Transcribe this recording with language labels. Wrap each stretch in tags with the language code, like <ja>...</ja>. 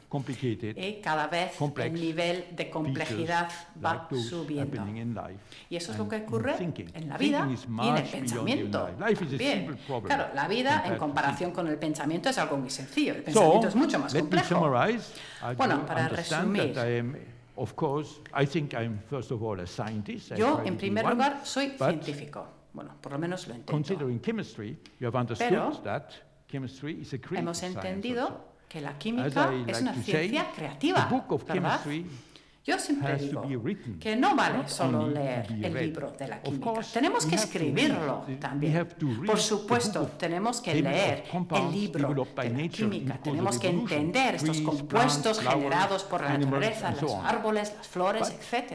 <es>Y cada vez el nivel de complejidad va subiendo. Y eso es lo que ocurre en la vida y en el pensamiento. Bien, claro, la vida en comparación con el pensamiento es algo muy sencillo. El pensamiento es mucho más complejo. Bueno, para resumir.</es> <en>Of course, I think I'm first of all a scientist.</en> <es>Yo, en primer lugar, soy científico. Bueno, por lo menos lo entiendo.</es> <en>Considering chemistry, you have understood that chemistry is a creative science.</en> <es>Que la química es una ciencia creativa, ¿verdad? Yo siempre digo que no vale solo leer el libro de la química, tenemos que escribirlo también. Por supuesto, tenemos que leer el libro de la química, tenemos que entender estos compuestos generados por la naturaleza, los árboles, las flores, etc.</es>